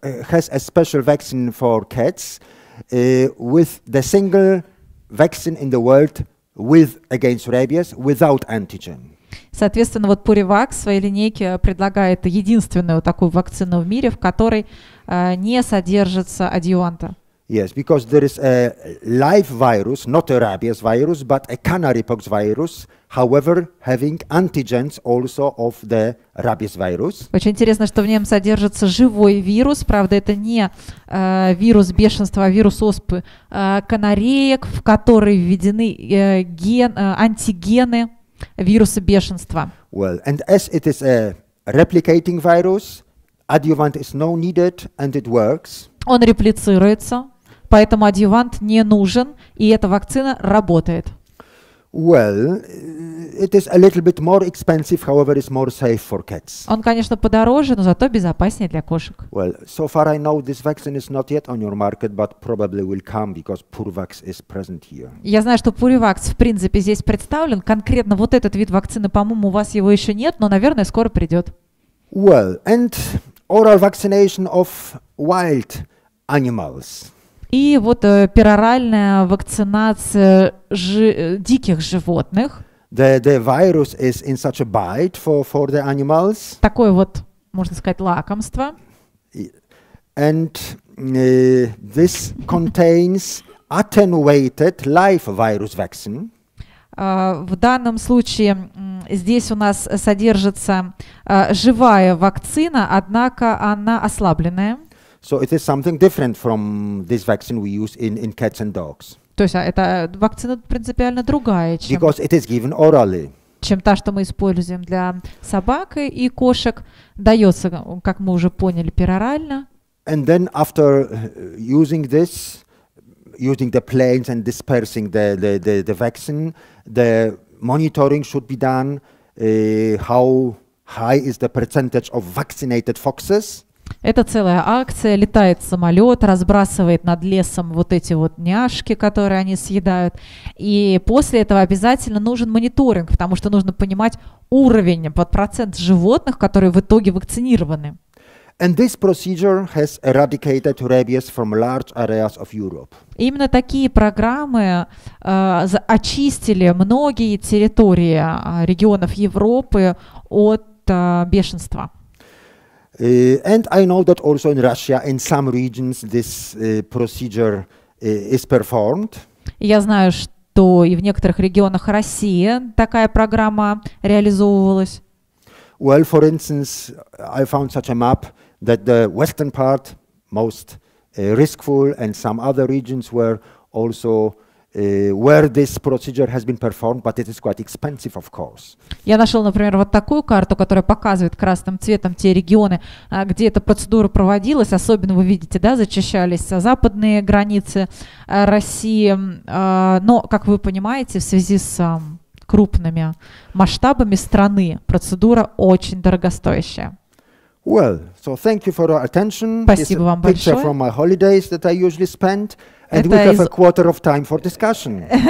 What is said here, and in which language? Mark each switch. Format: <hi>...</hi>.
<en>Has a special vaccine for cats with the single vaccine in the world with against rabies without antigen.</en> <ru>Соответственно, вот PureVax в своей линейке предлагает единственную такую вакцину в мире, в которой не содержится адъюванта.</ru> <en>Yes, because there is a live virus, not a rabies virus, but a canarypox virus, however, having antigens also of the rabies virus.</en> <ru>Очень интересно, что в нем содержится живой вирус, правда, это не вирус бешенства, а вирус оспы канареек, в который введены антигены вируса бешенства.</ru> <en>Well, and as it is a replicating virus, adjuvant is no needed and it works.</en> <ru>Он реплицируется. Поэтому адъювант не нужен, и эта вакцина работает.</ru> <en>Well, it is a little bit more expensive, however, it's more safe for cats.</en> <ru>Он, конечно, подороже, но зато безопаснее для кошек.</ru> <en>Well, so far I know this vaccine is not yet on your market, but probably will come because PureVax is present here.</en> <ru>Я знаю, что PureVax в принципе здесь представлен. Конкретно вот этот вид вакцины, по-моему, у вас его еще нет, но, наверное, скоро придет.</ru> <en>Well, and oral vaccination of wild animals.</en> <ru>И вот пероральная вакцинация диких животных.</ru> <en>the virus is in such a bite for the animals.</en> <ru>Такое вот, можно сказать, лакомство.</ru> <en>And this contains attenuated live virus vaccine.</en> <ru>В данном случае здесь у нас содержится живая вакцина, однако она ослабленная.</ru> <en>So it is something different from this vaccine we use in cats and dogs.</en> <ru>То есть эта вакцина принципиально другая, чем,</ru> <en>because it is given orally.</en> <ru>Чем та, что мы используем для собак и кошек, дается, как мы уже поняли, перорально.</ru> <en>And then after using this, using the planes and dispersing the vaccine, the monitoring should be done. How high is the percentage of vaccinated foxes?</en> <ru>Это целая акция. Летает самолет, разбрасывает над лесом вот эти вот няшки, которые они съедают. И после этого обязательно нужен мониторинг, потому что нужно понимать уровень, вот процент животных, которые в итоге вакцинированы.</ru> <en>And this procedure has eradicated rabies from large areas of Europe.</en> <ru>Именно такие программы очистили многие территории регионов Европы от бешенства.</ru> <en>And I know that also in Russia, in some regions, this procedure is performed.</en> <ru>Я знаю, что и в некоторых регионах России такая программа реализовывалась.</ru> <en>Well, for instance, I found such a map that the western part most riskful, and some other regions were also where this procedure has been performed, but it is quite expensive, of course.</en> <ru>Я нашел, например, вот такую карту, которая показывает красным цветом те регионы, где эта процедура проводилась. Особенно, вы видите, да, зачищались западные границы России. Но, как вы понимаете, в связи с крупными масштабами страны процедура очень дорогостоящая.</ru> <en>Well, so thank you for your attention.</en> <ru>Спасибо вам большое.</ru> <en>This is a picture from my holidays that I usually spend. And we have a quarter of time for discussion.</en>